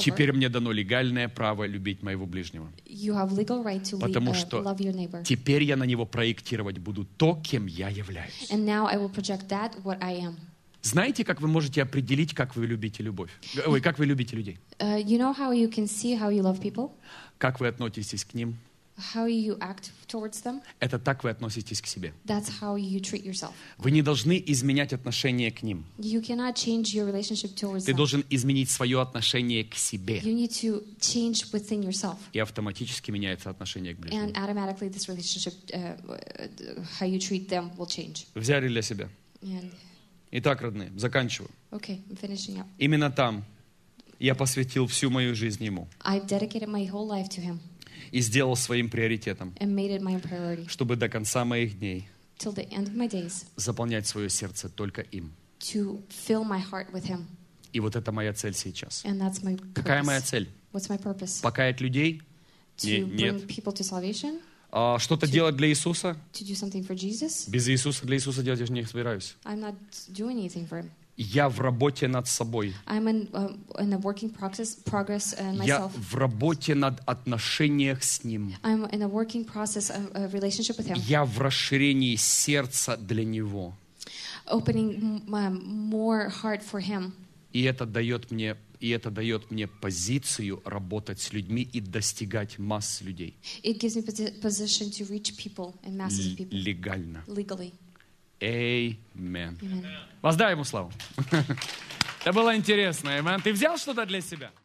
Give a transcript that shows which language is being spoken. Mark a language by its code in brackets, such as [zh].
[ru] теперь мне дано легальное право любить моего ближнего. [en] You have legal right to [ru] потому что [en] love your neighbor. [ru] Теперь я на него проектировать буду то, кем я являюсь. [en] And now I will project that, what I am. [ru] Знаете, как вы можете определить, как вы любите любовь? Ой, как вы любите людей? [en] You know how you can see how you love people? [ru] Как вы относитесь к ним? [en] How you act towards them? [ru] Это так вы относитесь к себе. [en] That's how you treat yourself. [ru] Вы не должны изменять отношение к ним. [en] You cannot change your relationship towards them. [ru] Ты должен изменить свое отношение к себе. [en] You need to change within yourself. [ru] И автоматически меняется отношение к ближнему. [en] And automatically this relationship, how you treat them will change. [ru] Взяли для себя. [en] And... [ru] Итак, родные, заканчиваю. [en] Okay, I'm finishing up. [ru] Именно там я посвятил всю мою жизнь ему. [en] I've dedicated my whole life to him. [ru] И сделал своим приоритетом. [en] And made it my priority. [ru] Чтобы до конца моих дней. [en] Till the end of my days. [ru] Заполнять свое сердце только им. [en] To fill my heart with him. [ru] И вот это моя цель сейчас. [en] And that's my purpose. [ru] Какая моя цель? [en] What's my purpose? [ru] Покаять людей? [en] To bring people to salvation? [ru] Что-то делать для Иисуса? [en] To do something for Jesus? [ru] Без Иисуса для Иисуса делать я же не собираюсь. [en] I'm not doing anything for him. [ru] Я в работе над собой. [en] I'm in a working progress myself. [ru] Я в работе над отношениях с ним. [en] I'm in a working process of a relationship with him. [ru] Я в расширении сердца для него. [en] Opening more heart for him. [ru] И это дает мне позицию работать с людьми и достигать масс людей. [en] It gives me position to reach people and masses of people. [ru] Легально. [en] Legally. Amen. [ru] Воздай ему славу. Это было интересно. Amen. Ты взял что-то для себя?